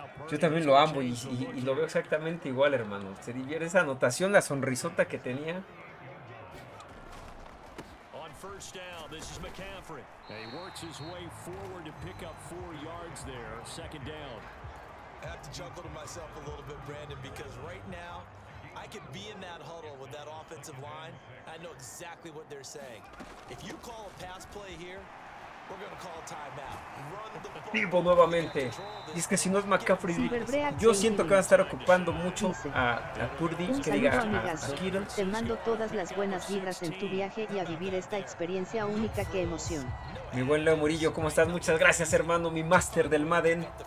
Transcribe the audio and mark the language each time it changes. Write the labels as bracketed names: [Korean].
[Spanish] Yo también lo amo y lo veo exactamente igual, hermano. Se divierte esa anotación, la sonrisota que tenía. [English] On first down, this is McCaffrey. He works his way forward to pick up 4 yards there. Second down. I have to chuckle to myself a little bit, Brandon, because right now I could be in that huddle with that offensive line. I know exactly what they're saying. If you call a pass play here, we're going to call a timeout. [Spanish] Tipo nuevamente. Y es que si no es McCaffrey, yo siento que van a estar ocupando mucho a Purdy. Un que saludo, diga, amigazo. A te mando todas las buenas vibras en tu viaje y a vivir esta experiencia única. Que emoción. Mi buen Leo Murillo, ¿cómo estás? Muchas gracias, hermano, mi máster del Madden.